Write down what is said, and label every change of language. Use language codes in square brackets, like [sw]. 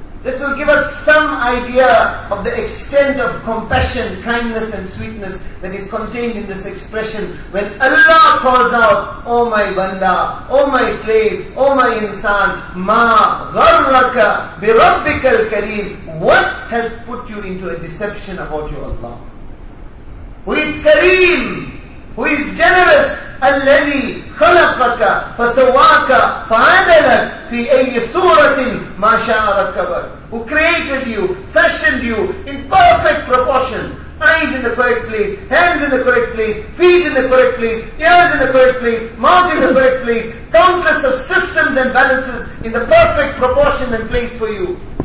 [en] This will give us some idea of the extent of compassion, kindness and sweetness that is contained in this expression. When Allah calls out, O my banda, O my slave, O my insan, ma gharraka bi rabbika al-kareem, what has put you into a deception about your Allah? [ar] Who is kareem, who is generous, الذي خلقك فسواك فعدلك في أي صورة ما شاء ركبك. [en] Who created you, fashioned you in perfect proportion. Eyes in the correct place, hands in the correct place, feet in the correct place, ears in the correct place, mouth in the correct place, countless of systems and balances in the perfect proportion and place for you.